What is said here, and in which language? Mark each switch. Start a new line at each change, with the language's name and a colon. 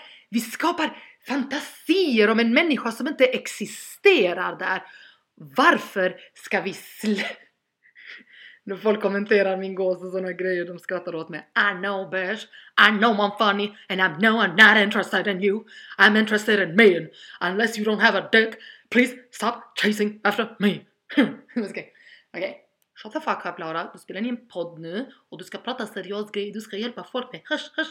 Swedish: Vi skapar fantasier om en människa som inte existerar där. Varför ska vi När folk kommenterar min gås och sådana grejer, de skrattar åt mig.
English: I know, bitch. I know I'm funny. And I know I'm not interested in you. I'm interested in me. Unless you don't have a dick, please stop chasing after me. Okay. Shut the fuck up, Laura.
Swedish: Du spelar in en podd nu och du ska prata seriös grej. Du ska hjälpa folk med hush.